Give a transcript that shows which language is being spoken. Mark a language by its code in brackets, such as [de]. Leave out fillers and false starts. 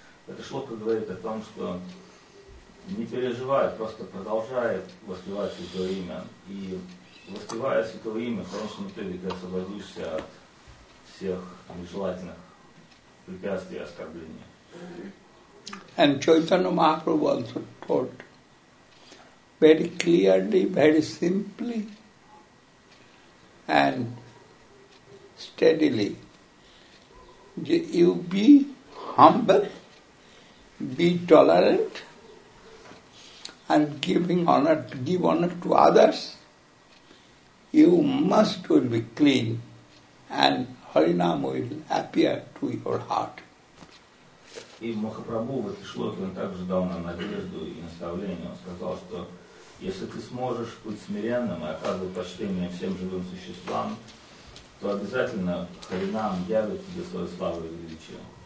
[ru] Эта шлока говорит о том, что не переживает, просто продолжает воспевать Святое Имя. И воспевая Святое Имя, в конечном итоге ты освободишься от всех нежелательных препятствий и оскорблений. [en] And Chaitanya Mahaprabhu also taught very clearly, very simply and steadily. You be humble, be tolerant and give honor to others. You must will be clean and Harinam will appear to your heart. [ru] И Махапрабху в этой шлоке он также дал нам надежду и наставление. Он сказал, что если ты сможешь быть смиренным и оказывать почтение всем живым существам, то обязательно Харинам явит тебе свою славу и величие.